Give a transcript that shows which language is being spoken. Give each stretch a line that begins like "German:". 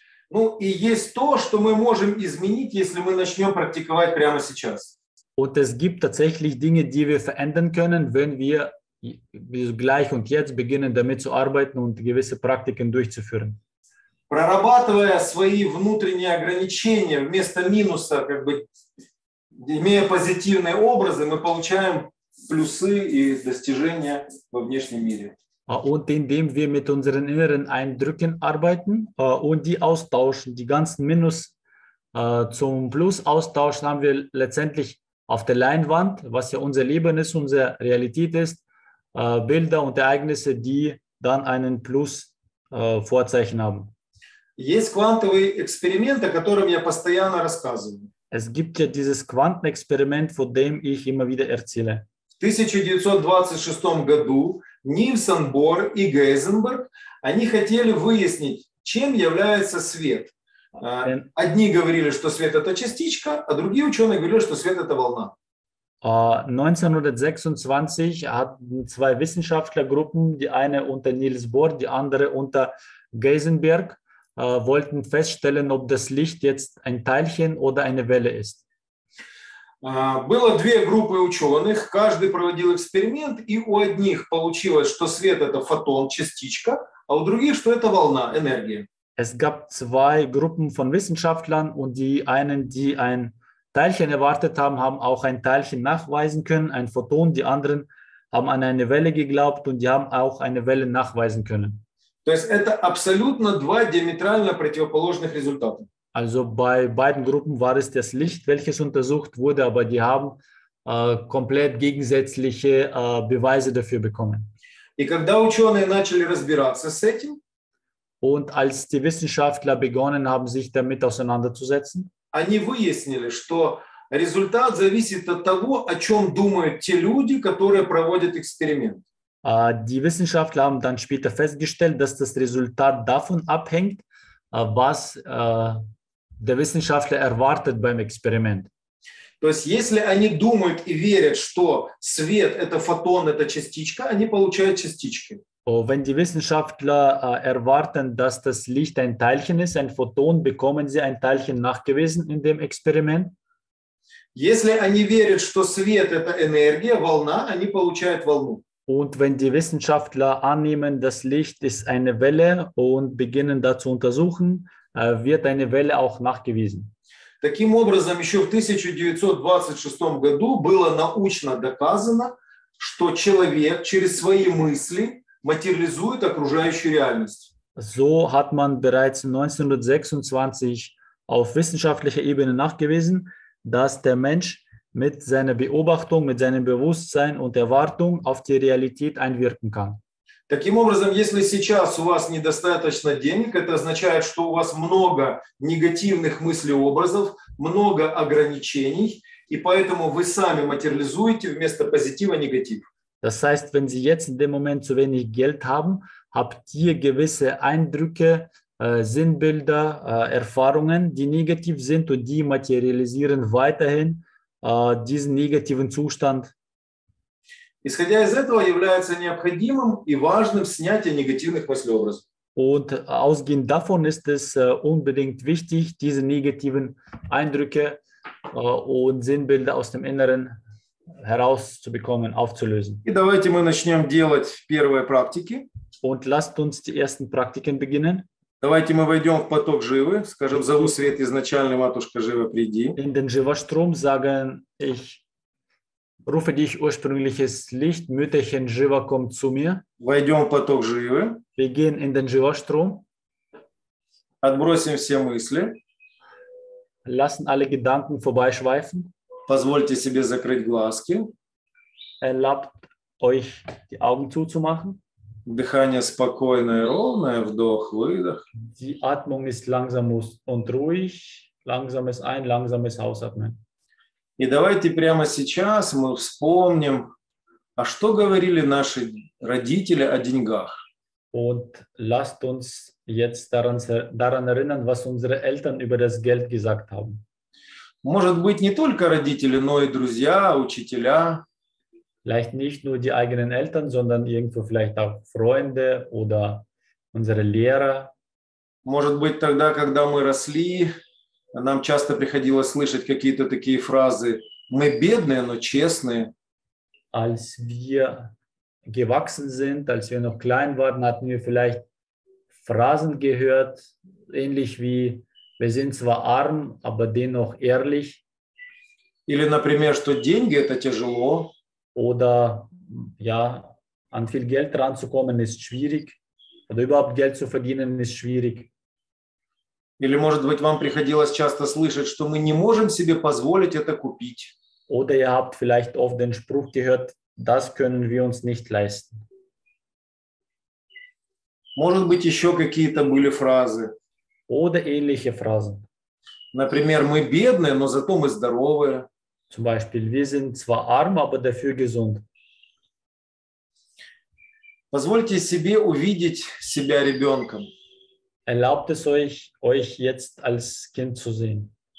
Russian: Ну и есть то, что мы можем изменить, если мы начнем практиковать прямо сейчас.
German: Und es gibt tatsächlich Dinge, die wir verändern können, wenn wir gleich und jetzt beginnen, damit zu arbeiten und gewisse Praktiken durchzuführen.
Russian: Прорабатывая свои внутренние ограничения вместо минуса, как бы имея позитивные образы, мы получаем плюсы и достижения во внешнем мире.
German: Und indem wir mit unseren inneren Eindrücken arbeiten und die austauschen, die ganzen Minus zum Plus austauschen, haben wir letztendlich auf der Leinwand, was ja unser Leben ist, unsere Realität ist, Bilder und Ereignisse, die dann einen Plus Vorzeichen haben.
Russian: Есть квантовые эксперименты, о которых я постоянно рассказываю.
German: Es gibt ja dieses Quantenexperiment, von dem ich immer wieder erzähle.
Russian: В 1926 году Нильсон Бор и Гейзенберг, они хотели выяснить, чем является свет. Одни говорили, что свет – это частичка, а другие ученые говорили, что свет – это волна.
German: 1926 hatten zwei Wissenschaftlergruppen, die eine unter Niels Bohr, die andere unter Gaisenberg, wollten feststellen, ob das Licht jetzt ein Teilchen oder eine Welle ist.
Russian: Было две группы ученых, каждый проводил эксперимент, и у одних получилось, что свет – это фотон, частичка, а у других, что это волна, энергия.
German: Es gab zwei Gruppen von Wissenschaftlern und die einen, die ein Teilchen erwartet haben, haben auch ein Teilchen nachweisen können, ein Photon. Die anderen haben an eine Welle geglaubt und die haben auch eine Welle nachweisen können.
Russian: То есть это абсолютно два диаметрально противоположных результата.
German: Also bei beiden Gruppen war es das Licht, welches untersucht wurde, aber die haben komplett gegensätzliche Beweise dafür bekommen.
Russian: И когда ученые начали разбираться с этим,
German: und als die Wissenschaftler begonnen haben, sich damit auseinanderzusetzen,
Russian: они выяснили, что результат зависит от того, о чем думают те люди, которые проводят эксперимент.
German: Die Wissenschaftler haben dann später festgestellt, dass das Resultat davon abhängt, was der Wissenschaftler erwartet beim Experiment.
Russian: То есть, если они думают и верят, что свет – это фотон, это частичка, они получают частички.
German: Wenn die Wissenschaftler erwarten, dass das Licht ein Teilchen ist, ein Photon, bekommen sie ein Teilchen nachgewiesen in dem Experiment?
Russian: Если они верят, что свет – это энергия, волна, они получают волну.
German: Und wenn die Wissenschaftler annehmen, dass Licht ist eine Welle und beginnen da zu untersuchen, wird eine Welle auch nachgewiesen.
Russian: Таким образом, еще в 1926 году было научно доказано, что человек через свои мысли материализует окружающую реальность.
German: So hat man bereits 1926 auf wissenschaftlicher Ebene nachgewiesen, dass der Mensch mit seiner Beobachtung, mit seinem Bewusstsein und Erwartung auf die Realität einwirken kann.
Russian: Таким образом, если сейчас у вас недостаточно денег, это означает, что у вас много негативных мыслеобразов, много ограничений, и поэтому вы сами материализуете вместо позитива негатив.
German: Das heißt, wenn Sie jetzt in dem Moment zu wenig Geld haben, habt ihr gewisse Eindrücke, Sinnbilder, Erfahrungen, die negativ sind und die materialisieren weiterhin diesen negativen Zustand.
Russian: Исходя из этого, является необходимым и важным снятие негативных мыслеобразов.
German: Und ausgehend davon ist es unbedingt wichtig, diese negativen Eindrücke und Sinnbilder aus dem Inneren herauszubekommen, aufzulösen.
Russian: И давайте мы начнем делать первые практики.
German: Und lasst uns die ersten Praktiken beginnen.
Russian: Давайте мы войдем в поток Живы, скажем, зову свет изначальный, Матушка Жива, приди.
German: In den Jiva-Strom sagen, ich rufe dich ursprüngliches Licht, Mütterchen Jiva, komm zu mir.
Russian: Войдем в поток Живы.
German: Wir gehen in den Jiva-Strom.
Russian: Отбросим все мысли.
German: Lassen alle Gedanken vorbeischweifen.
Russian: Позвольте себе закрыть глазки.
German: Erlaubt euch, die Augen zuzumachen.
Russian: Дыхание спокойное, ровное, вдох, выдох.
German: Die Atmung ist langsam und ruhig, langsames ein, langsames ausatmen.
Russian: И давайте прямо сейчас мы вспомним, а что говорили наши родители о деньгах.
German: Und lasst uns jetzt daran erinnern, was unsere Eltern über das Geld gesagt haben.
Russian: Может быть, не только родители, но и друзья, учителя.
German: Vielleicht nicht nur die eigenen Eltern, sondern irgendwo vielleicht auch Freunde oder unsere Lehrer.
Russian: Может быть, тогда, когда мы росли, нам часто приходилось слышать какие-то такие фразы: мы бедные, но честные.
German: Als wir gewachsen sind, als wir noch klein waren, hatten wir vielleicht Phrasen gehört, ähnlich wie: wir sind zwar arm, aber dennoch ehrlich.
Russian: Или, например, что деньги – это тяжело.
German: Oder ja, an viel Geld ranzukommen ist schwierig. Oder überhaupt Geld zu verdienen ist schwierig.
Russian: Или, может быть, вам приходилось часто слышать, что мы не можем себе позволить это купить.
German: Oder ihr habt vielleicht oft den Spruch gehört, das können wir uns nicht leisten.
Russian: Может быть, еще какие-то были фразы.
German: Oder ähnliche Phrasen.
Russian: Например, мы бедные, но зато мы здоровые.
German: Zum Beispiel, wir sind zwar arm, aber dafür gesund.
Russian: Позвольте себе увидеть себя ребенком.
German: Erlaubt es euch, euch jetzt als Kind zu sehen.